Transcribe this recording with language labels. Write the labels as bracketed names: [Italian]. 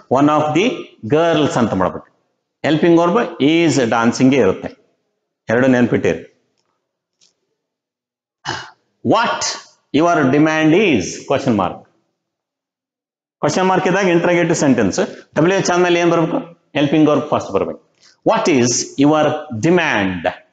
[Kannada] One of the girls ಅಂತ ಮಾಡ್ಬೇಕು. Helping verb is ಡಾನ್ಸಿಂಗೇ ಇರುತ್ತೆ, ಎರಡು ನೆನ್ಪಿಟ್ಟಿರಿ. [English] What your demand is? Question mark [Kannada] ಇದ್ದಾಗ [English] interrogative sentence. [Kannada] WH channel ಏನ್ ಬರ್ಬೇಕು? ಹೆಲ್ಪಿಂಗ್ ವರ್ಬ್ ಫಸ್ಟ್ ಬರ್ಬೇಕು. [English] What is your demand?